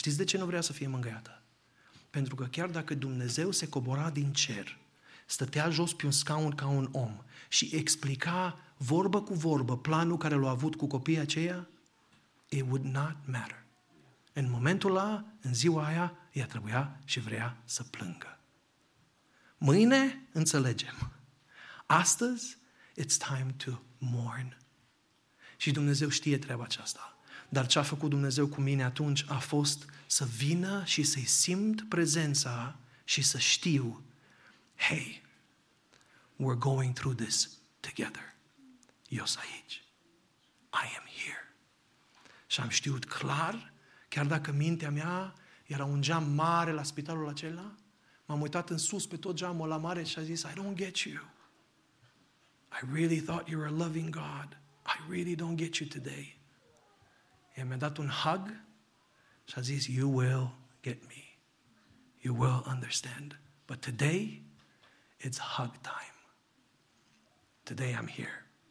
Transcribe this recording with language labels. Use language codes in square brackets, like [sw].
[ro] Știți de ce nu vrea să fie mângâiată? Pentru că chiar dacă Dumnezeu se cobora din cer, stătea jos pe un scaun ca un om și explica vorbă cu vorbă planul care l-a avut cu copiii aceia, [en] it would not matter. [ro] În momentul ăla, în ziua aia, ea trebuia și vrea să plângă. Mâine, înțelegem. Astăzi, [en] it's time to mourn. [ro] Și Dumnezeu știe treaba aceasta. Dar ce a făcut Dumnezeu cu mine atunci a fost să vină și să-i simt prezența și să știu, [en] hey, we're going through this together. [ro] Eu sunt aici. [en] I am here. [ro] Și am știut clar, chiar dacă mintea mea era un geam mare la spitalul acela, m-am uitat în sus pe tot geamul la mare și a zis, [en] I don't get you. I really thought you were a loving God. I really don't get you today. [ro] El mi-a dat un hug și a zis, [en] you will get me. You will understand. But today, it's hug time. Today I'm here.